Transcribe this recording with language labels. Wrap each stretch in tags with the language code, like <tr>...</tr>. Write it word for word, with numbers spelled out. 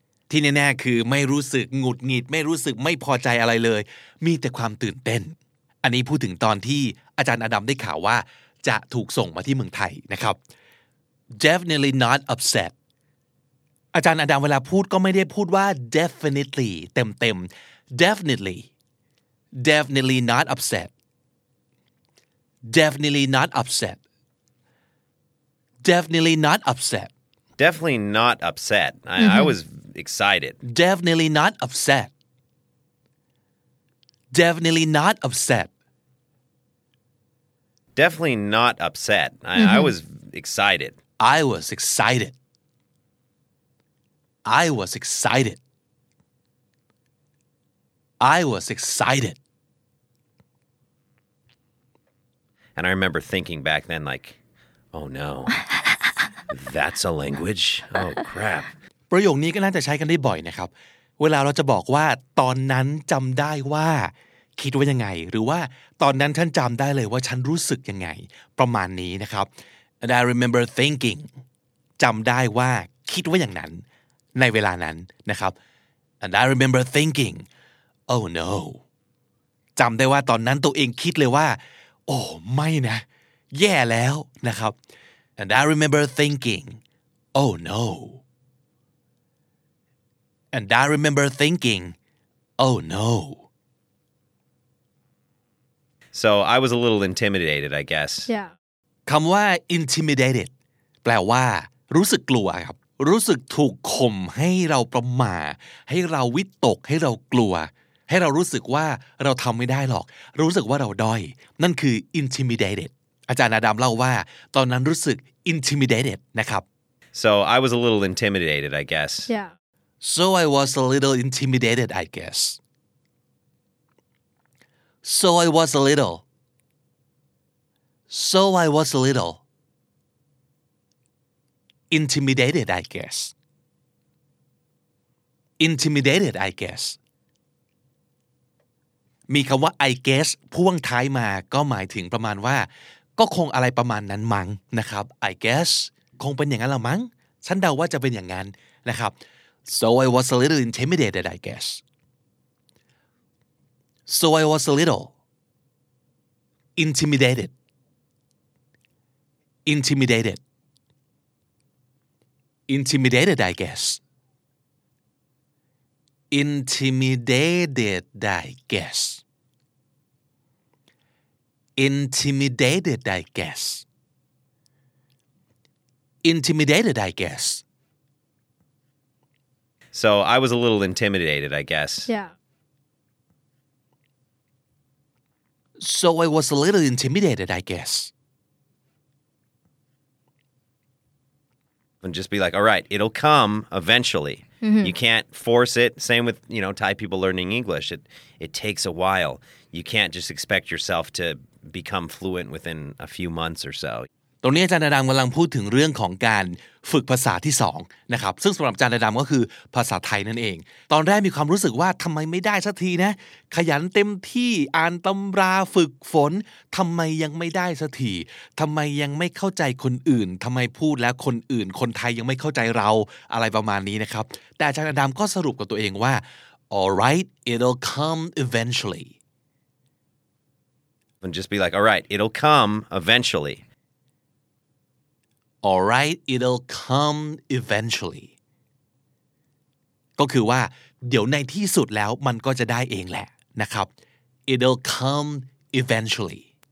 <th>ที่แน่ๆคือไม่รู้สึกหงุดหงิดไม่รู้สึกไม่พอใจอะไรเลยมีแต่ความตื่นเต้นอันนี้พูดถึงตอนที่อาจารย์อดัมได้ข่าวว่าจะถูกส่งมาที่เมืองไทยนะครับ Definitely not upset อาจารย์อดัมเวลาพูดก็ไม่ได้พูดว่า definitely เต็มๆ definitely definitely not upset definitely not upset definitely not upset</th> <en>definitely not upset I, mm-hmm. I was excited definitely not upset definitely not upset definitely not upset I, mm-hmm. I was excited I was excited I was excited I was excited and I remember thinking back then like oh no that's a language oh crap</en> <th>ประโยคนี้ก็น่าจะใช้กันได้บ่อยนะครับเวลาเราจะบอกว่าตอนนั้นจำได้ว่าคิดว่ายังไงหรือว่าตอนนั้นฉันจำได้เลยว่าฉันรู้สึกยังไงประมาณนี้นะครับ And I remember thinking จำได้ว่าคิดว่าอย่างนั้นในเวลานั้นนะครับ And I remember thinking oh no จำได้ว่าตอนนั้นตัวเองคิดเลยว่าโอ้ไม่นะแย่แล้วนะครับ And I remember thinking oh no And I remember thinking, oh no.</th> <en>So I was a little intimidated, I guess. Yeah.</en> <th>คำว่า intimidated แปลว่ารู้สึกกลัวครับรู้สึกถูกข่มให้เราประหม่าให้เราวิตกให้เรากลัวให้เรารู้สึกว่าเราทำไม่ได้หรอกรู้สึกว่าเราด้อยนั่นคือ intimidated อาจารย์อดัมเล่าว่าตอนนั้นรู้สึก intimidated นะครับ</th> <en>So I was a little intimidated, I guess. Yeah. So I was a little intimidated, I guess. So I was a little. So I was a little. Intimidated, I guess. Intimidated, I guess.</en> <th>มีคำว่า I guess พ่วงท้ายมาก็หมายถึงประมาณว่าก็คงอะไรประมาณนั้นมั้งนะครับ I guess คงเป็นอย่างนั้นละมั้งฉันเดาว่าจะเป็นอย่างนั้นนะครับ So I was a little intimidated, I guess.</th> <en>So I was a little intimidated. Intimidated. Intimidated, I guess. Intimidated, I guess. Intimidated, I guess. Intimidated, I guess. So I was a little intimidated, I guess. Yeah. So I was a little intimidated, I guess. And just be like, all right, it'll come eventually. Mm-hmm. You can't force it. Same with, you know, Thai people learning English. It, it takes a while. You can't just expect yourself to become fluent within a few months or so.</en> <th>ตรงนี้อาจารย์อดัมกำลังพูดถึงเรื่องของการฝึกภาษาที่สองนะครับซึ่งสำหรับอาจารย์อดัมก็คือภาษาไทยนั่นเองตอนแรกมีความรู้สึกว่าทำไมไม่ได้สักทีนะขยันเต็มที่อ่านตำราฝึกฝนทำไมยังไม่ได้สักทีทำไมยังไม่เข้าใจคนอื่นทำไมพูดแล้วคนอื่นคนไทยยังไม่เข้าใจเราอะไรประมาณนี้นะครับแต่อาจารย์อดัมก็สรุปกับตัวเองว่า all right it'll come eventually</th> <en>and just be like all right it'll come eventually</en> <th>all right it'll come eventually ก็คือว่าเดี๋ยวในที่สุดแล้วมันก็จะได้เองแหละนะครับ it'll come eventually</th>